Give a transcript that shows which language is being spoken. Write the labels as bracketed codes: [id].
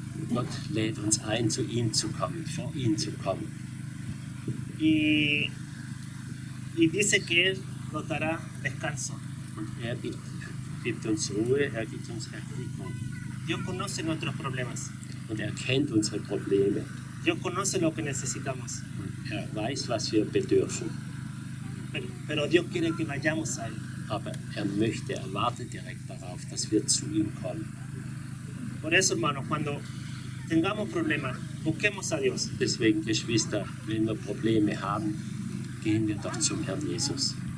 [de] Gott lädt uns ein, zu ihm zu kommen, vor ihm zu kommen. [es] Y dice que él nos dará descanso. [de] Und er gibt uns Ruhe, er gibt uns Erquickung. [es] Dios conoce nuestros problemas. [de] Und er kennt unsere Probleme. [es] Dios conoce lo que necesitamos. [de] Er weiß, was wir bedürfen. [es] Pero Dios quiere que vayamos a él. [de] Aber er möchte, er wartet direkt darauf, dass wir zu ihm kommen. [es] Por eso, hermano, cuando tengamos problemas, busquemos a Dios. [de] Deswegen, Geschwister, wenn wir Probleme haben, gehen wir doch zum Herrn Jesus.